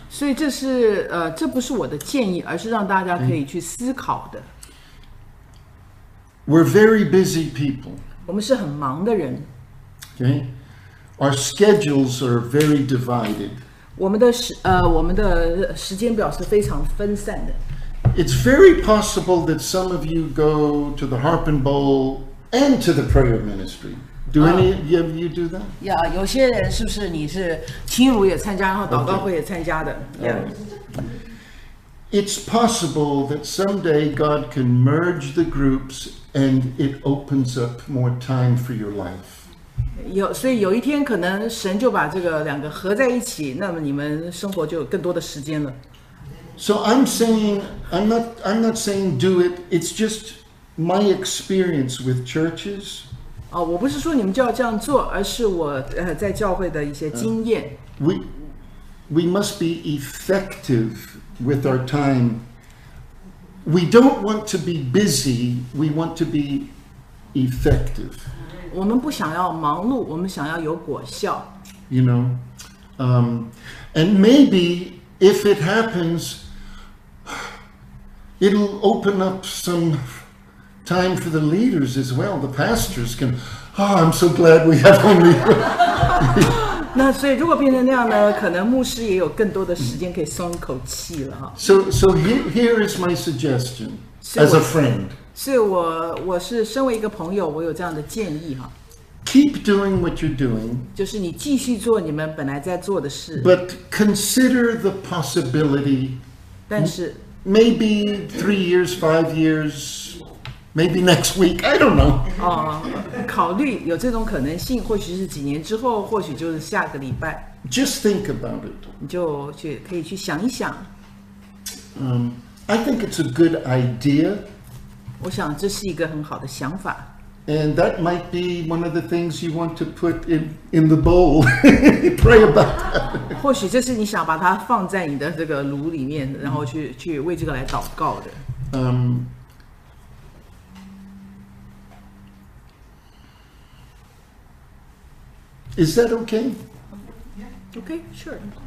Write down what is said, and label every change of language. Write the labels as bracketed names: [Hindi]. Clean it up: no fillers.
[Chinese] 所以这是这不是我的建议，而是让大家可以去思考的。 [English] We're very busy people. [Chinese] 我们是很忙的人。 [English] Our schedules are very divided. [Chinese] 我们的时间表是非常分散的。 [English] It's very possible that some of you go to the Harp and Bowl and to the prayer ministry. Do any of you do that? [Chinese] 有些人是不是你是亲如也参加，然后祷告会也参加的？Yeah. [English] It's possible that someday God can merge the groups and it opens up more time for your life. [Chinese] 所以有一天可能神就把这个两个合在一起，那么你们生活就有更多的时间了。 [English] So I'm not saying do it. It's just my experience with churches. [Chinese] 我不是说你们就要这样做，而是我在教会的一些经验。 [English] We must be effective with our time. We don't want to be busy, we want to be effective. [Chinese] 我们不想要忙碌，我们想要有果效。 [English] And maybe if it happens, it'll open up some time for the leaders as well. The pastors can, oh, I'm so glad we have only. [Chinese] 那所以，如果变成那样呢？可能牧师也有更多的时间可以松一口气了哈。 [English] So here is my suggestion as a friend. [Chinese] 所以我是身为一个朋友，我有这样的建议哈， [English] Keep doing what you're doing, [Chinese] 就是你继续做你们本来在做的事， [English] but consider the possibility, [Chinese] 但是。 [English] maybe 3 years, 5 years, maybe next week, I don't know. [Chinese] 考虑有这种可能性，或许是几年之后，或许就是下个礼拜， [English] Just think about it. [Chinese] 你就去可以去想一想。 [English] I think it's a good idea. [Chinese] 我想这是一个很好的想法。 [English] And that might be one of the things you want to put in the bowl. Pray about that. [Chinese] 或许这是你想把它放在你的这个炉里面，然后去为这个来祷告的。 [English] Is that okay? Okay, sure.